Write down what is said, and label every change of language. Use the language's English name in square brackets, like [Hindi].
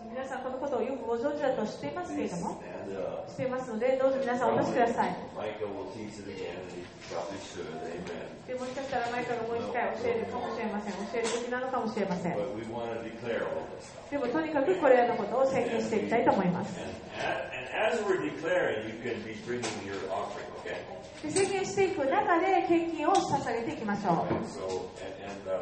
[Japanese] 皆さんこのことをよくご存知だと知っていますけれども、知っていますので、どうぞ皆さんお待ちください。 [English] マイカ will teach it again. He probably should. Amen. [Japanese] でもしかしたらマイカがもう一回教えるかもしれません。教える時なのかもしれません。 [English] but we want to declare all this. [Japanese] でもとにかくこれらのことを宣言していきたいと思います。 [English] and as we're declaring, you can be bringing your offering, okay? [Japanese] 宣言していく中で献金を捧げていきましょう。